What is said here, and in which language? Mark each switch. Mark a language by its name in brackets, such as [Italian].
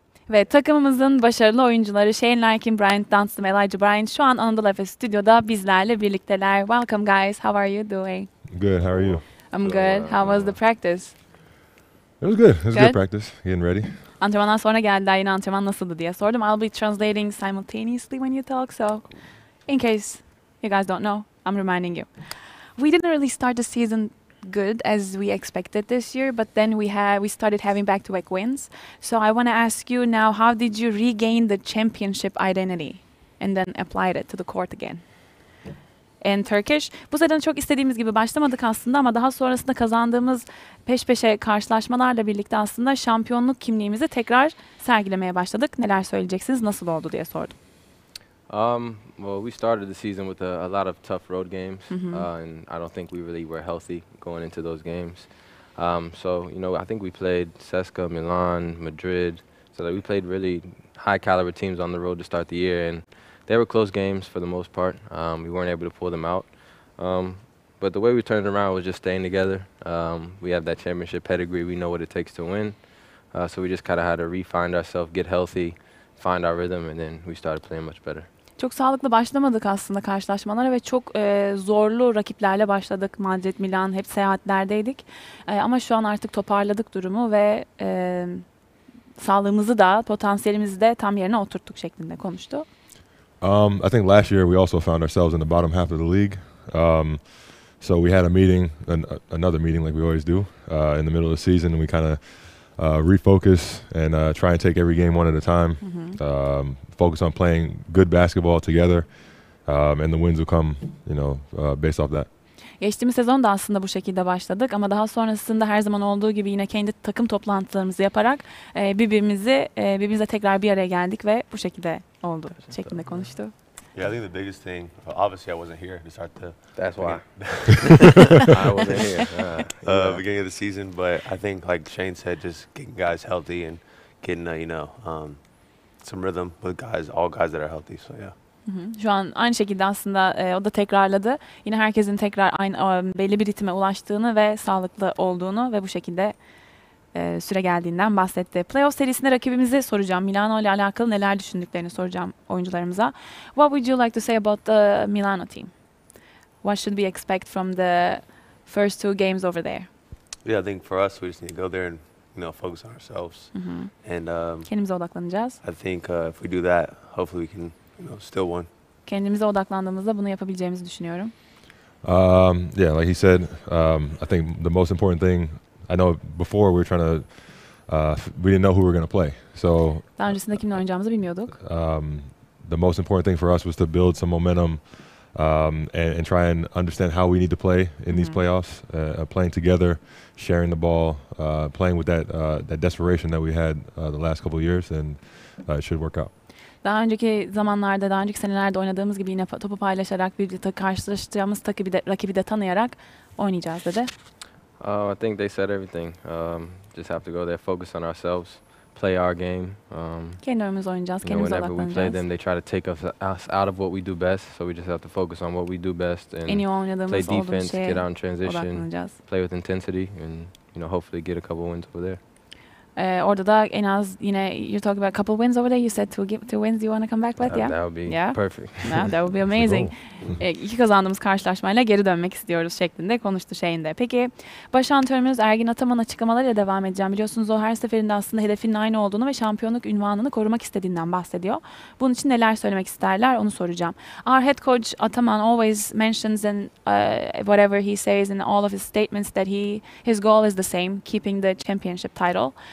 [Turkish] Ve takımımızın başarılı oyuncuları Shane Larkin, Brian Dunst, Elijah Bryant şu an Anadolu Efes Stüdyo'da bizlerle birlikteler. [English] Welcome guys, how are you doing? Good, how are you? I'm good. How was the practice? It was good. It was good practice, getting ready. [Turkish] Antrenmandan sonra geldiler, yine antrenman nasıldı diye sordum. [English] I'll be translating simultaneously when you talk, so in case you guys don't know, I'm reminding you. We didn't really start the season good as we expected this year, but then we started having back-to-back wins. So I want to ask you now, how did you regain the championship identity and then applied it to the court again? And Turkish. [Turkish] Bu sezon çok istediğimiz gibi başlamadık aslında ama daha sonrasında kazandığımız peş peşe karşılaşmalarla birlikte aslında şampiyonluk kimliğimizi tekrar sergilemeye başladık. Neler söyleyeceksiniz? Nasıl oldu diye sordum. [English] Well, we started the season with a lot of tough road games, and I don't think we really were healthy going into those games. So, you know, I think we played CSKA, Milan, Madrid. So like, we played really high caliber teams on the road to start the year, and they were close games for the most part. We weren't able to pull them out. But the way we turned around was just staying together. We have that championship pedigree. We know what it takes to win. So we just kind of had to re-find ourselves, get healthy, find our rhythm, and then we started playing much better. [Turkish] Çok sağlıklı başlamadık aslında karşılaşmalara ve çok zorlu rakiplerle başladık. Madrid, Milan hep seyahatlerdeydik. Ama şu an artık toparladık durumu ve sağlığımızı da potansiyelimizi de tam yerine oturttuk şeklinde konuştu. [English] I think last year we also found ourselves in the bottom half of the league. So we had a meeting, another meeting like we always do, in the middle of the season. And we kind of refocus and try and take every game one at a time. Mm-hmm. Focus on playing good basketball together, and the wins will come, you know, based off that. [Turkish] Geçtiğimiz sezon da aslında bu şekilde başladık ama daha sonrasında her zaman olduğu gibi yine kendi takım toplantılarımızı yaparak birbirimize tekrar bir araya geldik ve bu şekilde oldu şeklinde konuştu. [English] Yeah, I think the biggest thing, obviously I wasn't here to start the... That's why. I wasn't here. Beginning of the season, but I think like Shane said, just getting guys healthy and getting, you know, some rhythm with guys, all guys that are healthy, so yeah. [Turkish] Şu an aynı şekilde aslında o da tekrarladı. Yine herkesin tekrar aynı belli bir ritme ulaştığını ve sağlıklı olduğunu ve bu şekilde süre geldiğinden bahsetti. Playoff serisinde rakibimizi soracağım. Milano ile alakalı neler düşündüklerini soracağım oyuncularımıza. [English] What would you like to say about the Milano team? What should we expect from the first two games over there? Yeah, I think for us we just need to go there and, you know, focus on ourselves. And [Turkish] kendimize odaklanacağız. [English] I think if we do that, hopefully we can, you know, still won. [Turkish] Kendimize odaklandığımızda bunu yapabileceğimizi düşünüyorum. [English] Yeah, like he said, I think the most important thing, I know before we were trying to, we didn't know who we were going to play. So, [Turkish] daha öncesinde kimle oynayacağımızı bilmiyorduk. [English] The most important thing for us was to build some momentum and try and understand how we need to play in these playoffs, playing together, sharing the ball, playing with that that desperation that we had the last couple of years, and it should work out. [Turkish] Daha önceki zamanlarda, daha önceki senelerde oynadığımız gibi yine topu paylaşarak, birlikte karşılaştığımız rakibi de tanıyarak oynayacağız dedi. [English] I think they said everything. Just have to go there, focus on ourselves, play our game. [Turkish] Kendi oyunumuzu oynayacağız, kendimize odaklanacağız. [English] Whenever we play them, they try to take us out of what we do best, so we just have to focus on what we do best and play defense, get out in transition, play with intensity, and, you know, hopefully get a couple wins over there. [Turkish] Orada da en az, [English] you know, you're talking about a couple wins over there. You said two wins you want to come back with, yeah? That would be perfect. Yeah, that would be amazing. [Turkish] İki kazandığımız karşılaşmayla geri dönmek istiyoruz şeklinde konuştu Shane de. Peki, baş antrenörümüz Ergin Ataman açıklamalarıyla devam edeceğim. Biliyorsunuz o her seferinde aslında hedefinin aynı olduğunu ve şampiyonluk unvanını korumak istediğinden bahsediyor. Bunun için neler söylemek isterler onu soracağım. [English] Our head coach Ataman always mentions in whatever he says in all of his statements that his goal is the same, keeping the championship title.